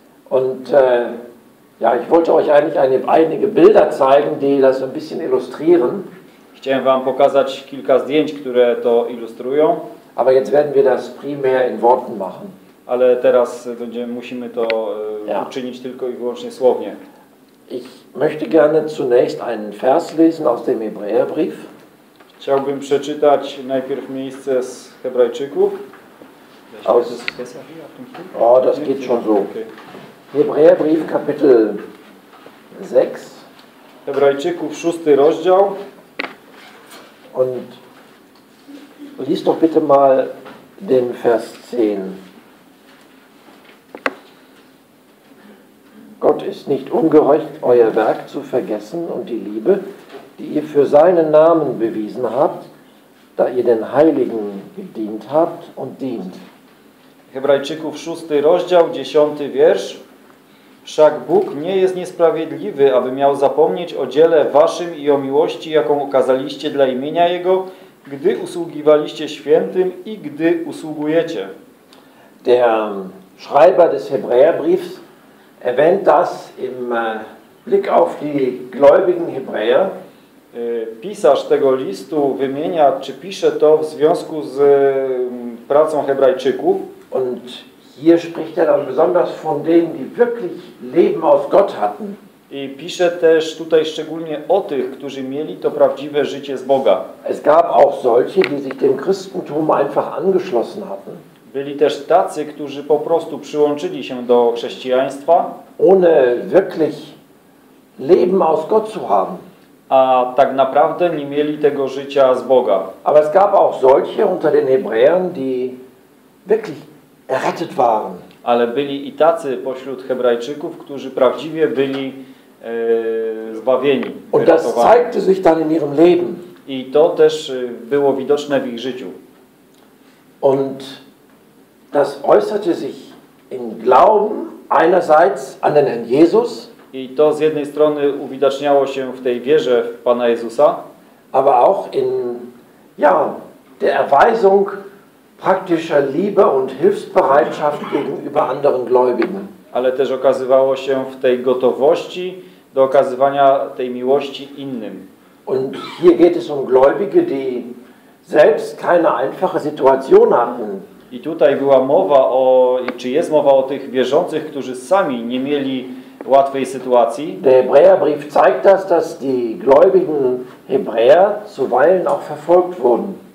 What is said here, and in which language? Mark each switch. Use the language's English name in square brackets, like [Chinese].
[German] Und ja, ich wollte euch eigentlich einige Bilder zeigen, die das ein bisschen illustrieren. [Polish] Chciałem wam pokazać kilka zdjęć, które to ilustrują. [German] Aber jetzt werden wir das primär in Worten machen. [Polish] Ale teraz musimy to uczynić tylko i wyłącznie słownie. [German] Ich möchte gerne zunächst einen Vers lesen aus dem Hebräerbrief. [Polish] Chciałbym przeczytać najpierw miejsce z Hebrajczyków. [German] Oh, das geht schon so. Hebräerbrief Kapitel 6. [Polish] Hebrajczyków 6 rozdział. [German] Und lies doch bitte mal den Vers 10. Gott ist nicht ungehorcht, euer Werk zu vergessen und die Liebe, die ihr für seinen Namen bewiesen habt, da ihr den Heiligen gedient habt und dient. [Polish] Hebrajczyków 6 rozdział 10 wiersz. Wszak Bóg nie jest niesprawiedliwy, aby miał zapomnieć o dziele waszym i o miłości, jaką okazaliście dla imienia Jego, gdy usługiwaliście świętym i gdy usługujecie. [German] Der Schreiber des Hebräerbriefs erwähnt das im Blick auf die gläubigen Hebräer. [Polish] Pisarz tego listu wymienia, czy pisze to w związku z pracą Hebrajczyków. [German] Und hier spricht er dann besonders von denen, die wirklich Leben aus Gott hatten. [Polish] I pisze też tutaj szczególnie o tych, którzy mieli to prawdziwe życie z Boga. [German] Es gab auch solche, die sich dem Christentum einfach angeschlossen hatten. [Polish] Byli też tacy, którzy po prostu przyłączyli się do chrześcijaństwa, [German] ohne wirklich Leben aus Gott zu haben. [Polish] A tak naprawdę nie mieli tego życia z Boga. [German] Aber es gab auch solche unter den Hebräern, die wirklich errettet waren. [Polish] Ale byli i tacy pośród Hebrajczyków, którzy prawdziwie byli zbawieni. [German] Und das zeigte sich dann in ihrem Leben. [Polish] I to też było widoczne w ich życiu. [German] Und das äußerte sich im Glauben einerseits an den Herrn Jesus. [Polish] I to z jednej strony uwidaczniało się w tej wierze w Pana Jezusa, [German] aber auch in ja, der Erweisung praktischer Liebe und Hilfsbereitschaft gegenüber anderen Gläubigen. [Polish] Ale też okazywało się w tej gotowości do okazywania tej miłości innym. [German] Und hier geht es um Gläubige, die selbst keine einfache Situation hatten. [Polish] I tutaj była mowa o, czy jest mowa o tych wierzących, którzy sami nie mieli łatwej sytuacji. [German] Der Hebräerbrief zeigt das, dass die gläubigen Hebräer zuweilen auch verfolgt wurden.